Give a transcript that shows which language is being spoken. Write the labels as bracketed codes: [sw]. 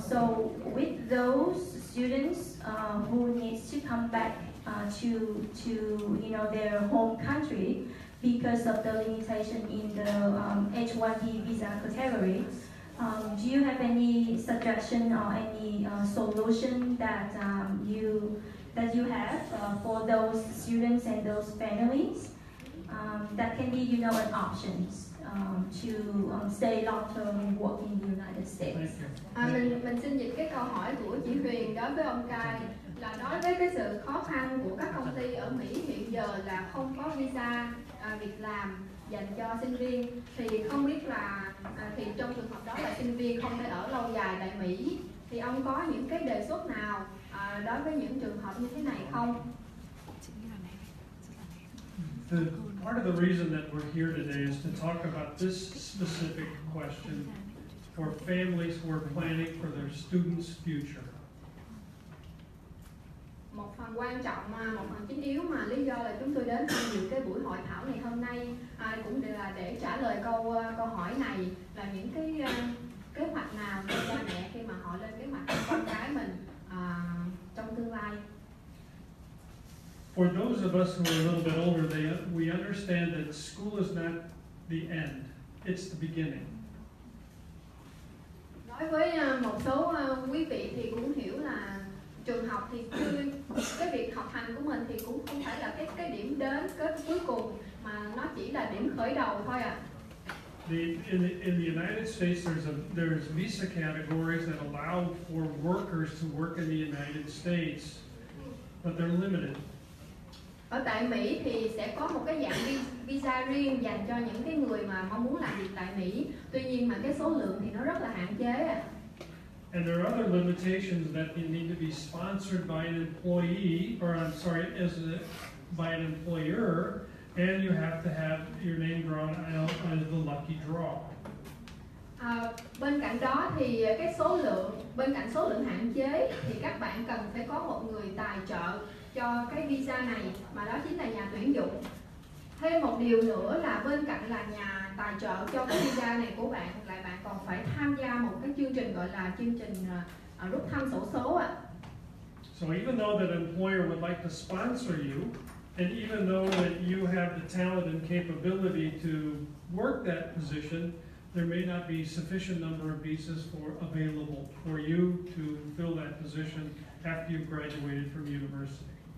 [en] So with those students who needs to come back to you know their home country because of the limitation in the H-1B visa category, do you have any suggestion or any solution that you have for those students and those families that can be, you know, an option to stay long-term and work in the United [vi] mình xin dịch cái câu hỏi của chị Huyền đối với ông Kai là nói với cái sự khó khăn của các công ty ở Mỹ hiện giờ là không có visa việc làm dành cho sinh viên, thì không biết là thì trong trường hợp đó là sinh viên không thể ở lâu dài tại Mỹ, thì ông có những cái đề xuất nào đối với những trường hợp như thế này không? [en] Part of the reason that we're here today is to talk about this specific question for families who are planning for their students' future. [vi] Một phần quan trọng mà một phần chính yếu mà lý do là chúng tôi đến tham dự cái buổi hội thảo này hôm nay cũng là để trả lời câu hỏi này là những cái kế hoạch nào cho cha mẹ khi mà họ lên kế hoạch cho con cái mình trong tương lai. [en] For those of us who are a little bit older, we understand that school is not the end; it's the beginning. [vi] Nói với một số quý vị thì cũng hiểu là trường học thì cái việc học hành của mình thì cũng không phải là cái điểm đến kết cuối cùng mà nó chỉ là điểm khởi đầu thôi ạ. [en] In the United States, there's visa categories that allow for workers to work in the United States, but they're limited. [vi] Ở tại Mỹ thì sẽ có một cái dạng visa riêng dành cho những cái người mà mong muốn làm việc tại Mỹ. Tuy nhiên mà cái số lượng thì nó rất là hạn chế. [en] And there are other limitations that you need to be sponsored by an employee, or I'm sorry, as a, by an employer, and you have to have your name drawn out as the lucky draw. [vi] Bên cạnh đó thì cái số lượng, bên cạnh số lượng hạn chế thì các bạn cần phải có một người tài trợ cho cái visa này mà đó chính là nhà tuyển dụng. Thêm một điều nữa là bên cạnh là nhà tài trợ cho cái visa này của bạn lại bạn còn phải tham gia một cái chương trình gọi là chương trình rút thăm xổ số ạ. [en] So even though that employer would like to sponsor you and even though that you have the talent and capability to work that position, there may not be sufficient number of visas for available for you to fill that position after you've graduated from university.